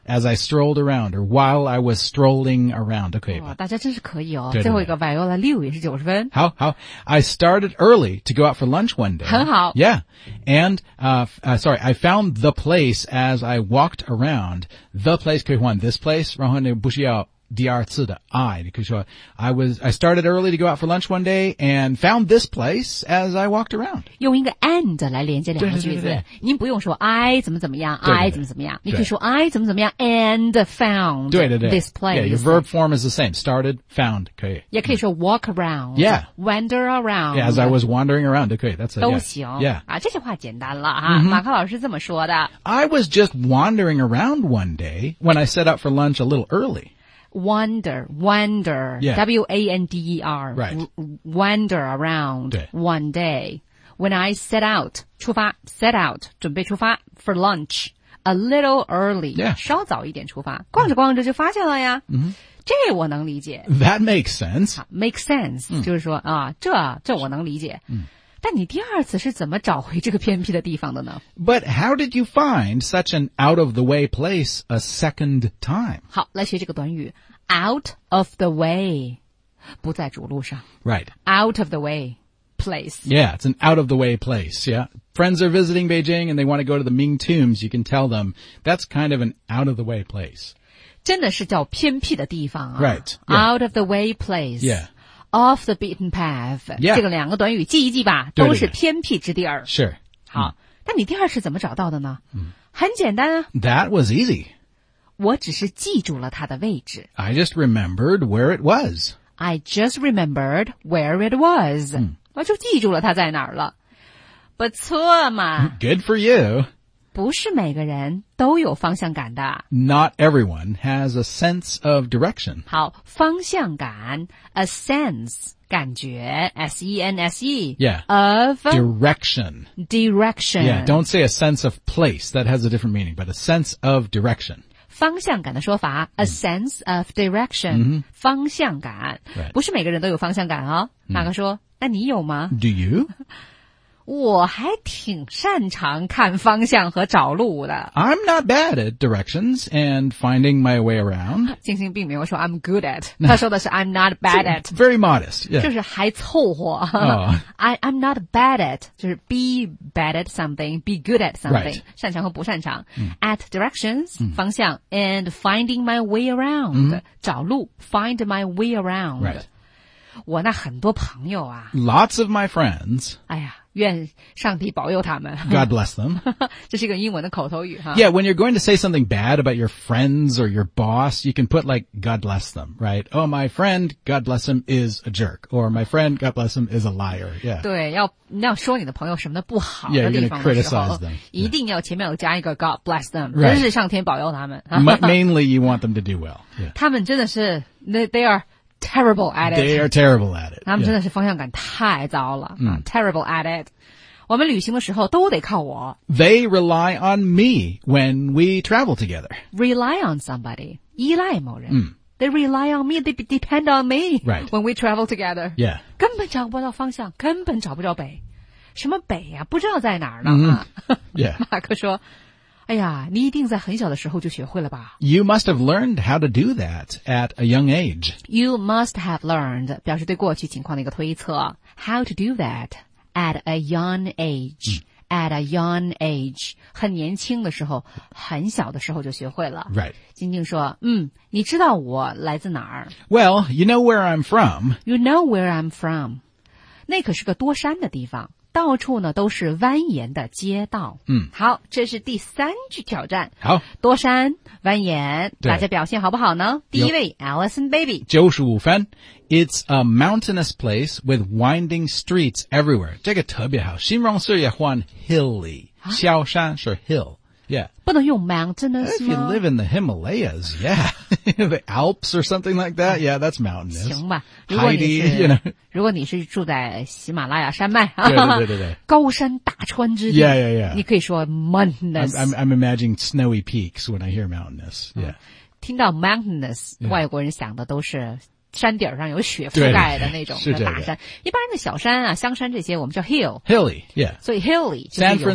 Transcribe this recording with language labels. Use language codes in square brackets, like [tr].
[en] ，as I strolled around or while I was strolling around [zh] 都可以吧？大家真是可以哦。对对对最后一个 Viola 六也是90分。 [en] 好 I started early to go out for lunch one day. [zh] 很好 [en] Yeah. And, I found the place as I walked around. The place [zh] 可以换 [en] this place. [zh] 然后你不需要第二次的 I. 你可以说 [en] I started early to go out for lunch one day and found this place as I walked around. [zh] 用一个 and 来连接两个句子。对。您不用说 I 怎么怎么样 I 怎么怎么样。你可以说 I 怎么怎么样 [en] and found [zh] 对 [en] this place. Yeah, your verb form is the same. Started, found, [zh] 可以。也可以说 [en] walk around. Yeah. Wander around. Yeah, as I was wandering around, [zh] 可以。 [en] That's a, [zh] 都行。 [en] Yeah. [zh] 啊这些话简单了啊、mm-hmm. 马克老师这么说的。 [en] I was just wandering around one day when I set out for lunch a little early. Wander,、 yeah. W-A-N-D-E-R,、 right. wander around one day. When I set out, [zh] 出发 [en] set out, [zh] 准备出发 [en] for lunch, a little early,、 yeah. [zh] 稍早一点出发逛着逛着就发现了呀、 [en] mm-hmm. [zh] 这我能理解。 [en] That makes sense. Makes sense,、 [zh] mm. 就是说啊这我能理解。嗯、但你第二次是怎么找回这个偏僻的地方的呢 [en] ?But how did you find such an out of the way place a second time? [zh] 好来学这个短语。 [en] Out of the way, [zh] 不在主路上。 [en] Right. Out of the way place. Yeah, it's an out of the way place, yeah. Friends are visiting Beijing and they want to go to the Ming Tombs, you can tell them, that's kind of an out of the way place. [zh] 真的是叫偏僻的地方啊。 [en] Right.、Yeah. Out of the way place. Yeah. Off the beaten path. Yeah. [zh] 这个两个短语记一记吧对对对都是偏僻之地儿。 [en] Sure. [zh] 好、mm. 但你第二是怎么找到的呢、 [en] mm. [zh] 很简单啊。 [en] That was easy. [zh] 我只是记住了它的位置。 [en] I just remembered where it was. I just remembered where it was.、 [zh] 嗯、我就记住了它在哪儿了。不错嘛。 [en] Good for you. [zh] 不是每个人都有方向感的。 [en] Not everyone has a sense of direction. [zh] 好，方向感 , [en] a sense, [zh] 感觉 ,s-e-n-s-e, [en] yeah, of direction. Direction. Yeah, don't say a sense of place, that has a different meaning, but a sense of direction. [zh] 方向感的说法 [en] a sense of direction、 mm-hmm. [zh] 方向感、 [en] right. [zh] 不是每个人都有方向感哦、mm-hmm. 马克说那你有吗 [en] Do you? [zh] 我还挺擅长看方向和找路的 [en] I'm not bad at directions and finding my way around [zh] 静心并没有说 [en] I'm good at [zh] 他说的是 [en] I'm not bad at Very modest、yeah. [zh] 就是还凑合、 [en] oh. I'm not bad at [zh] 就是 [en] be bad at something be good at something、 right. [zh] 擅长和不擅长、 [en] mm. at directions、mm. [zh] 方向 [en] and finding my way around、 mm. [zh] 找路 [en] find my way around、 right. [zh] 我那很多朋友啊。 [en] Lots of my friends. [zh] 哎呀，愿上帝保佑他们。 [en] God bless them. [zh] 这是一个英文的口头语哈。 [en] Yeah, when you're going to say something bad about your friends or your boss, you can put like, God bless them, right? Oh, my friend, God bless him, is a jerk. Or my friend, God bless him, is a liar. Yeah. [zh] 对，要说你的朋友什么的不好的地方的时候。 [en] Yeah, you're going to criticize them. [zh] 一定要前面有加一个 [en] God bless them. Right. [zh] 真是上天保佑他们。 [en] Mainly, you want them to do well. Yeah. [zh] 他们真的是 [en] they are... Terrible at it. They are terrible at it. [zh] 他们真的是方向感太糟了。 [en] Yeah. Terrible at it. [zh] 我们旅行的时候都得靠我。 [en] They rely on me when we travel together. Rely on somebody. [zh] 依赖某人。 [en] Mm. They rely on me. They depend on me. Right. When we travel together. Yeah. [zh] 根本找不到方向，根本找不着北。什么北啊？不知道在哪儿呢。 [en] Mm-hmm. Yeah. [zh] 马克说哎呀，你一定在很小的时候就学会了吧 [en] ？You must have learned how to do that at a young age. You must have learned [zh] 表示对过去情况的一个推测。 [en] How to do that at a young age?、 Mm. At a young age, [zh] 很年轻的时候，很小的时候就学会了。 [en] Right. [zh] 静静说，嗯，你知道我来自哪儿 [en] ？Well, you know where I'm from. You know where I'm from. [zh] 那可是个多山的地方。到处呢都是蜿蜒的街道。嗯，好，这是第三句挑战。好，多山蜿蜒，大家表现好不好呢？第一位 ，Allison Baby， 95分。 [en] It's a mountainous place with winding streets everywhere。 [zh] 这个特别好，形容词也换 hilly，、啊、小山是 hill。Yeah. 不能用 mountainous [en] If you live in the Himalayas, yeah. the Alps or something like that, yeah, that's mountainous. [zh] 行吧。 [en] Heidi, you know. [zh] 如果你是住在喜马拉雅山脉。对。高山大川之地。 [en] Yeah, yeah, yeah. [zh] 你可以说 mountainous. [en] I'm imagining snowy peaks when I hear mountainous, yeah. [zh] 听到 mountainous, 外国人想的都是山顶上有雪覆盖的那种的大山，一般的小山啊，香山这些我们叫 hill，hilly， [en] yeah， [zh] 所以 hilly 就是有